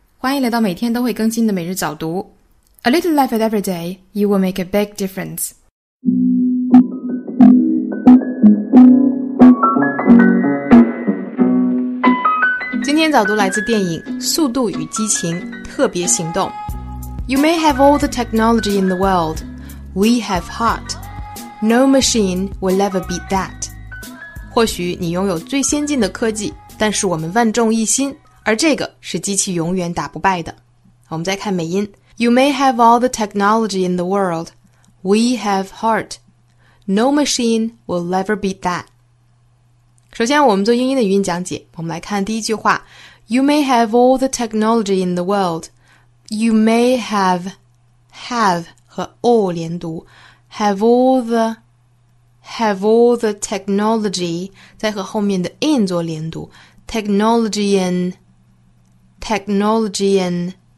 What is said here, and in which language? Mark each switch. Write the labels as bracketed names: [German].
[Chinese] 欢迎来到每天都会更新的每日早读。 [English] A little life at every day, you will make a big difference. [Chinese] 今天早读来自电影《速度与激情：特别行动》。 [English] You may have all the technology in the world. We have heart. No machine will ever beat that. [Chinese] 或许你拥有最先进的科技，但是我们万众一心，而这个是机器永远打不败的。我们再看美音。 [English] You may have all the technology in the world. We have heart. No machine will ever beat that. [Chinese] 首先我们做英音的语音讲解，我们来看第一句话。 [English] You may have all the technology in the world. You may have [Chinese] 和 [English] all [Chinese] 连读。 [English] Have all the technology, [Chinese] 再和后面的 [English] in [Chinese] 做连读。 [English] Technology in.